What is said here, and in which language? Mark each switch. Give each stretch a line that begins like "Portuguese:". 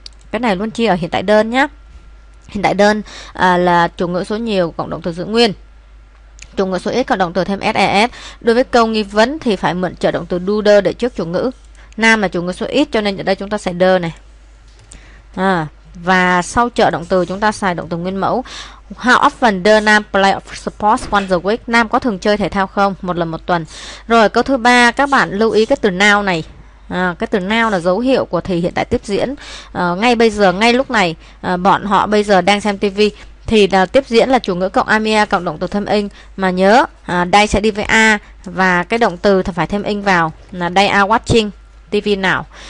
Vietnamese: Cái này luôn chia ở hiện tại đơn nhé. Hiện tại đơn là chủ ngữ số nhiều cộng động từ giữ nguyên, chủ ngữ số ít cộng động từ thêm SES. Đối với câu nghi vấn thì phải mượn trợ động từ do để trước chủ ngữ. Nam là chủ ngữ số ít cho nên ở đây chúng ta xài do này à, và sau trợ động từ chúng ta xài động từ nguyên mẫu.
English: How often does Nam play sports once a week?
Vietnamese: Nam có thường chơi thể thao không? Một lần một tuần. Rồi câu thứ ba, các bạn lưu ý cái từ now này. À, cái từ now là dấu hiệu của thì hiện tại tiếp diễn. À, ngay bây giờ, ngay lúc này, bọn họ bây giờ đang xem tivi. Thì là tiếp diễn là chủ ngữ cộng amia cộng động từ thêm ing. Mà nhớ, đây sẽ đi với a và cái động từ thì phải thêm ing vào là
English: they are watching tivi
Vietnamese: nào.